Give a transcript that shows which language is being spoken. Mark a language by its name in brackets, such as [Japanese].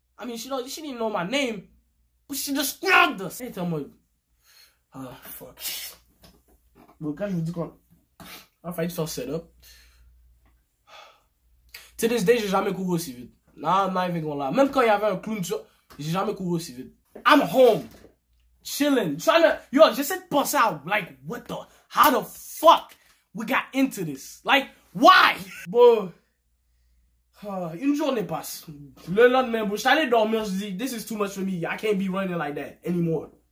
[English] I mean, she didn't know my name, but she described us. [French] Et moi, ah, fuck. Bon, quand je vous dis qu'on a failli te faire setup. [English] To this day, [French] j'ai jamais couru aussi vite. [English] Nah, I'm not even gonna lie. [French] Même quand il y avait un clown, j'ai jamais couru aussi vite. [English] I'm home, chilling, trying to, yo, [French] j'essaie de penser [English] out, like, what the, how the fuck we got into this, like, why? Bro, [French] Une journée passe. Le lendemain, bro, je suis allé dormir. Je dis, [English] this is too much for me. I can't be running like that anymore.